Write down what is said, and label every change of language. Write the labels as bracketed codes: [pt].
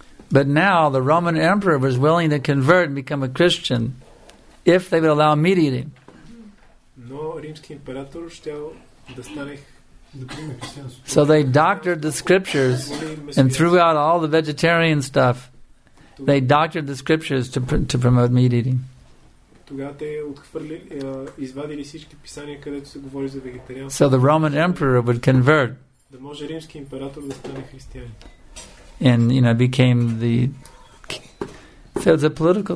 [en] But now the Roman emperor was willing to convert and become a Christian if they would allow meat eating. [bg] Но римският император щял да стане [en] So they doctored the scriptures and threw out all the vegetarian stuff. They doctored the scriptures to promote meat eating. [bg] Тогава те извадили всички писания, където се говори за вегетарианство. [en] So the Roman emperor would convert. [bg] Да може римският император да стане християнин. [en] And you know, became the So it's a political.